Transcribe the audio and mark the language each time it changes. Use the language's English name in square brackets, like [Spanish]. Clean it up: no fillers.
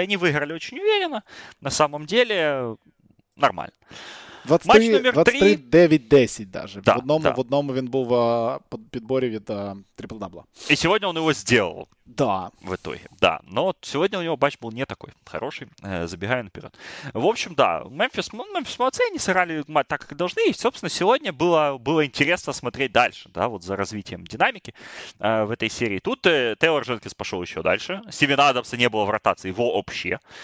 [Russian] И они выиграли очень уверенно, на самом деле нормально. [Ukrainian] 23-9-10 даже, да, в одному він був в підборі від трипл-дабла. [Russian] И сегодня он его сделал. Да. В итоге, да. Но сегодня у него матч был не такой хороший, забегая наперед. В общем, да, Мемфис молодцы, они сыграли матч так, как должны. И, собственно, сегодня было интересно смотреть дальше, да, вот за развитием динамики в этой серии. Тут Тейлор Дженкинс пошел еще дальше. Стивен Адамса не было в ротации вообще.